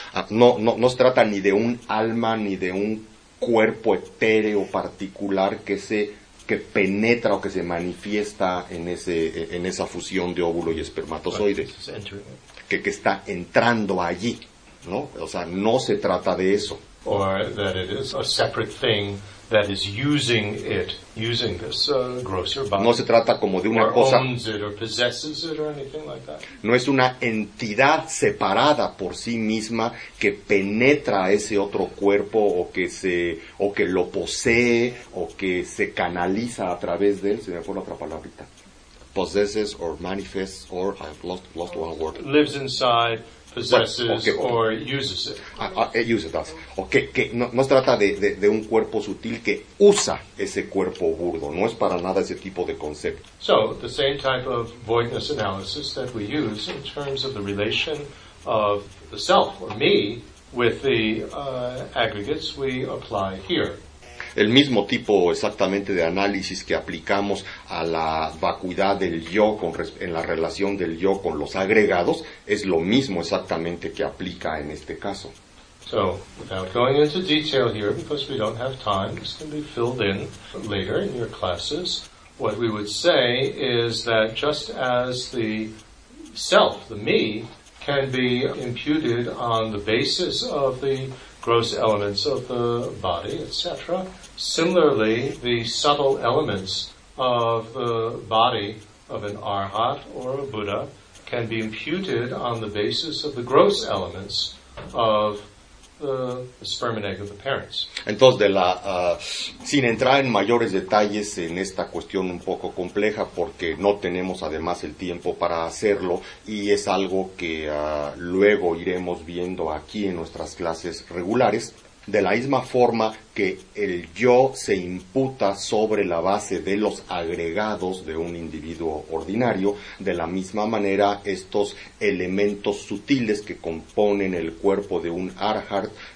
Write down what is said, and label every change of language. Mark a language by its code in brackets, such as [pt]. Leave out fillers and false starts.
[es] No se trata ni de un alma ni de un cuerpo etéreo particular que penetra o que se manifiesta en esa fusión de óvulo y espermatozoide, que está entrando allí, ¿no? O sea, no se trata de eso. [en] Or that it is a separate thing that is using this grosser body. [es] No se trata como de una cosa. [en] Or owns it or possesses it or anything like that. [es] No es una entidad separada por sí misma que penetra ese otro cuerpo o que lo posee o que se canaliza a través de él. Se me fue la otra palabrita. [en] Possesses or manifests or I've lost one word. Lives inside. Possesses or uses it. Uses it. [es] Okay, no se trata de un cuerpo sutil que usa ese cuerpo burdo. No es para nada ese tipo de concepto. [en] So, the same type of voidness analysis that we use in terms of the relation of the self, or me, with the aggregates we apply here. [es] El mismo tipo exactamente de análisis que aplicamos a la vacuidad del yo en la relación del yo con los agregados es lo mismo exactamente que aplica en este caso. [en] So, without going into detail here, because we don't have time, this can be filled in later in your classes, what we would say is that just as the self, the me, can be imputed on the basis of the gross elements of the body, etc. Similarly, the subtle elements of the body of an arhat or a Buddha can be imputed on the basis of the gross elements of the sperm and egg of the parents. [es] Entonces, de la, sin entrar en mayores detalles en esta cuestión un poco compleja, porque no tenemos además el tiempo para hacerlo, y es algo que luego iremos viendo aquí en nuestras clases regulares, de la misma forma que el yo se imputa sobre la base de los agregados de un individuo ordinario, de la misma manera estos elementos sutiles que componen el cuerpo de un arhat,